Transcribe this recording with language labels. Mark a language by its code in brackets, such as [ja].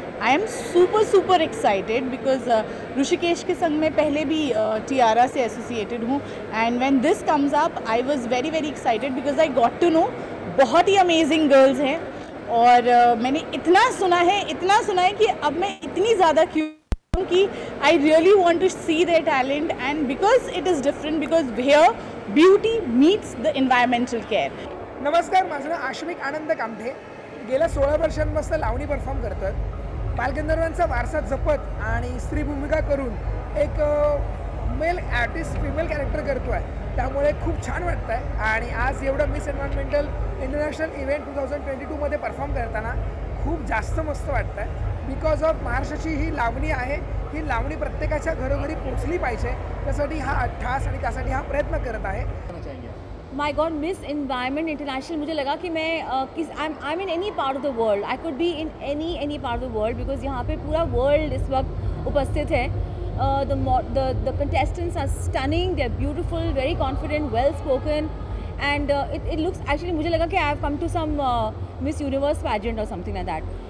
[en] I am super excited because Rishikesh [hi] के संग मैं पहले भी टियारा से एसोसिएटेड हूँ, [en] and when this comes up I was very excited because I got to know [hi] बहुत ही अमेजिंग गर्ल्स हैं, और मैंने इतना सुना है कि अब मैं इतनी ज़्यादा क्यूरियस हूँ कि [en] I really want to see their talent, and because it is different, because here beauty meets the environmental care. [mr] नमस्कार, माझं नाव आश्विक आनंद कामठे, गेल्या 16 वर्षांपासून लावणी परफॉर्म करतो आहे। बालगंधर्वांचा वारसा जपत आणि स्त्री भूमिका करून एक मेल आर्टिस्ट फिमेल कॅरेक्टर करतो आहे, त्यामुळे खूप छान वाटतं आहे। आणि आज एवढं miss environmental international event 2022 perform करताना खूप जास्त मस्त वाटतं आहे, बिकॉज ऑफ महाराष्ट्राची ही लावणी आहे, ही लावणी प्रत्येकाच्या घरोघरी पोचली पाहिजे, त्यासाठी हा अठ्ठास आणि त्यासाठी हा प्रयत्न करत आहे। [en] my God, Miss Environment International, [hi] मुझे लगा की मैं [en] I am in any part of the world, I could be in any part of the world, because [hi] यहाँ पे पूरा वर्ल्ड इस वक्त उपस्थित है। [en] The contestants are stunning, they're beautiful, very confident, well spoken, and it looks, actually [hi] mujhe laga ki [en] I have come to some Miss Universe pageant or something like that.